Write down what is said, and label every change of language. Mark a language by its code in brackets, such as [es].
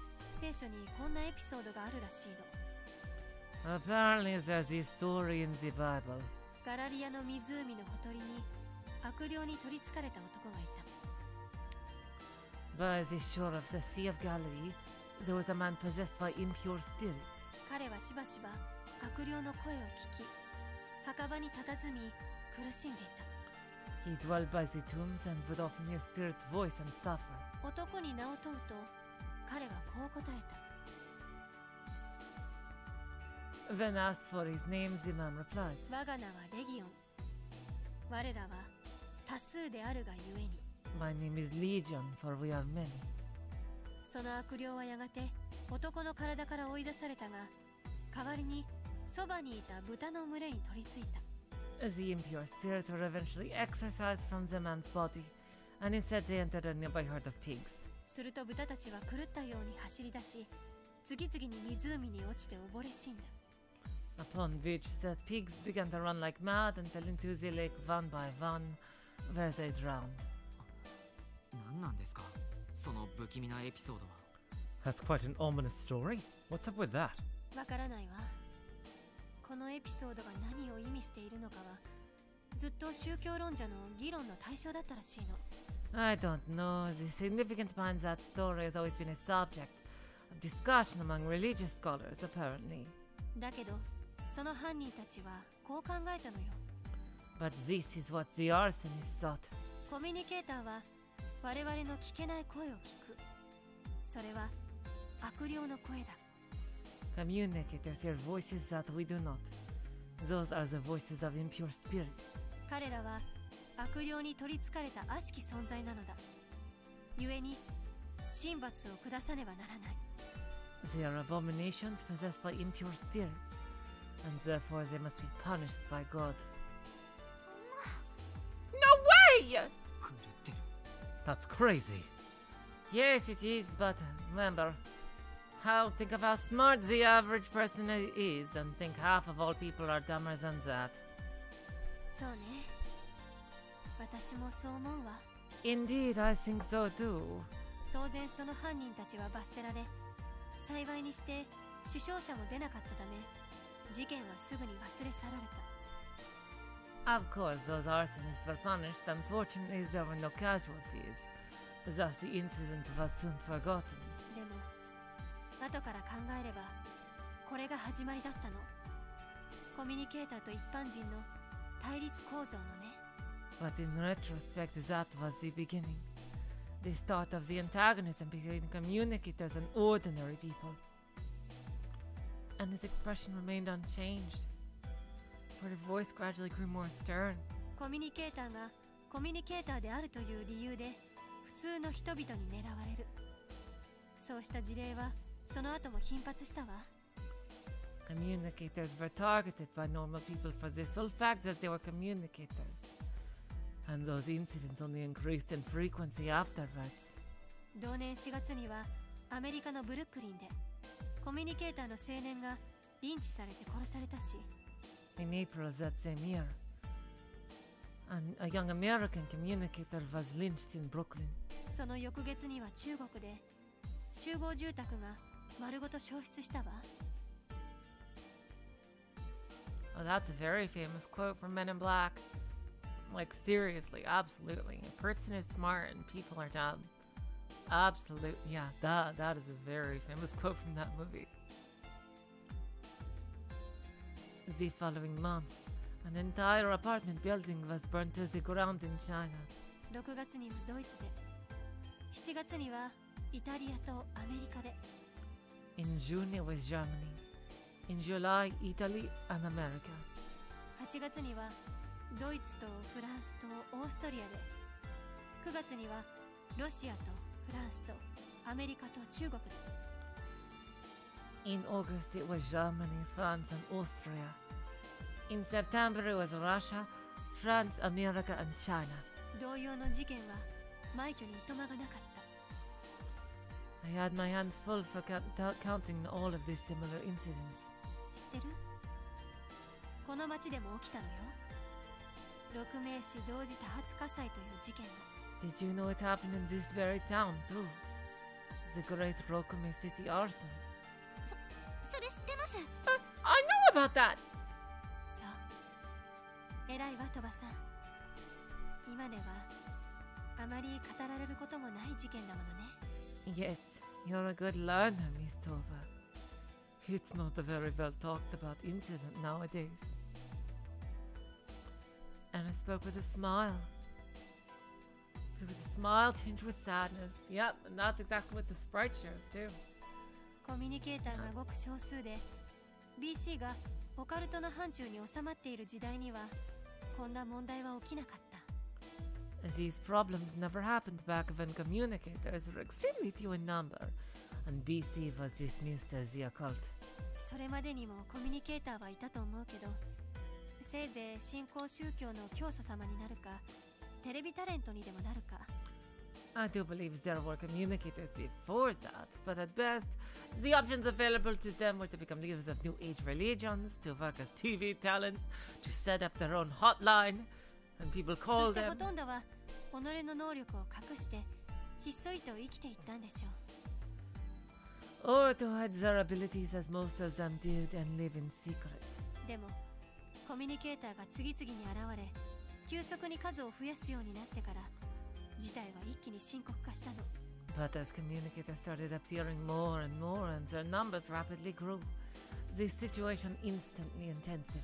[ja] 聖書にこんなエピソードがあるらしいの。 [en] Apparently, there's this story in the Bible. [ja] ガラリアの湖のほとりに悪霊に取り憑かれた男がいた。 [en] By the shore of the Sea of Galilee, there was a man possessed by impure spirits. [ja] 彼はしばしば悪霊の声を聞き、墓場に佇み苦しんでいた。 [en] He dwelt by the tombs and would often hear spirits' voice and suffer. [ja] 男に名を問うと彼はこう答えた。 [en] When asked for his name, the man replied, [ja] 我が名はレギオン。我らは多数であるがゆえに。 [en] My name is Legion, for we are many. [ja] その悪霊はやがて男の体から追い出されたが、代わりにそばにいた豚の群れに取り付いた。 [en] The impure spirits were eventually exorcised from the man's body, and instead they entered a nearby herd of pigs. [ja] すると豚たちは狂ったように走り出し、次々に湖に落ちて溺れ死んだ。 [en] Upon which the pigs began to run like mad and fell into the lake one by one, where they drowned. [ja] 何なんですか、その不気味なエピソードは。 [en] That's quite an ominous story. What's up with that? [ja] わからないわ。このエピソードが何を意味しているのかは、ずっと宗教論者の議論の対象だったらしいの。 [en] I don't know. The significance behind that story has always been a subject of discussion among religious scholars, apparently. [ja] だけど、その犯人たちはこう考えたのよ。 [en] But this is what the arsonists thought. [ja] コミュニケーターは我々の聞けない声を聞く。それは悪霊の声だ。 [en] Communicators hear voices that we do not. Those are the voices of impure spirits. [ja] 彼らは悪霊に取り憑かれた悪しき存在なのだ。故に神罰を下さねばならない。 [en] They are abominations possessed by impure spirits, and therefore they must be punished by God. No way! That's crazy. Yes, it is, but remember, I'll think of how smart the average person is, and think half of all people are dumber than that. So, ne. I also think so. Indeed, I think so too. Of course, the culprits were banished. [ja] 幸いにして死傷者も出なかったため、事件はすぐに忘れ去られた。 [en] Of course, those arsonists were punished. Unfortunately, there were no casualties. Thus, the incident was soon forgotten. [ja] でも、後から考えれば、これが始まりだったの。コミュニケーターと一般人の対立構造のね。 [en] But in retrospect, that was the beginning. The start of the antagonism between communicators and ordinary people. And his expression remained unchanged. But his voice gradually grew more stern. [ja] Communicator がコミュニケーターであるという理由で普通の人々に狙われる。そうした事例はその後も頻発したわ。 [en] Communicators were targeted by normal people for the sole fact that they were communicators. And those incidents only increased in frequency afterwards. [ja] 同年4月にはアメリカのブルックリンでコミュニケーターの青年がリンチされて殺されたし。 [en] In April of that same year, a young American communicator was lynched in Brooklyn. [ja] その翌月には中国で集合住宅が丸ごと焼失したわ。 [en] Well, that's a very famous quote from Men in Black. Like, seriously, absolutely. A person is smart and people are dumb. Absolutely, yeah, that is a very famous quote from that movie. The following month, an entire apartment building was burned to the ground in China. [ja] 6月にはドイツで、7月にはイタリアとアメリカで。 [en] In June, it was Germany. In July, Italy and America. [ja] 8月にはドイツとフランスとオーストリアで、9月にはロシアとフランスとアメリカと中国で。 [en] In August it was Germany, France and Austria. In September it was Russia, France, America and China. [ja] 同様の事件は枚挙にいとまがなかった。 [en] I had my hands full for counting all of these similar incidents. [ja] 知ってる？この街でも起きたのよ。六名士同時多発火災という事件が。 [en] Did you know it happened in this very town too? The great 六名 city arson. [ja] それ知ってます。 [en] I know about that. [ja] そう。偉いわ、トバさん。今ではあまり語られることもない事件だものね。 [en] Yes, you're a good learner, Miss Toba. It's not a very well talked about incident nowadays. And I spoke with a smile. It was a smile tinged with sadness. Yep, and that's exactly what the sprite shows too. [ja] Communicator がごく少数で、BC がオカルトの範疇に収まっている時代には、こんな問題は起きなかった。 [en] These problems never happened back when communicators were extremely few in number, and BC was dismissed as the occult. [ja] それまでにもコミュニケーターはいたと思うけど。せいぜい信仰宗教の教祖様になるか、テレビタレントにでもなるか。 [en] I do believe there were communicators before that, but at best, the options available to them were to become leaders of new age religions, to work as TV talents, to set up their own hotline, and people call them. [ja] そしてほとんどは己の能力を隠してひっそりと生きていったんでしょう。 [en] Or to hide their abilities as most of them did and live in secret. [ja] でも。コミュニケーターが次々に現れ、急速に数を増やすようになってから、事態は一気に深刻化したの。 [en] But as communicators started appearing more and more and their numbers rapidly grew, this situation instantly intensified.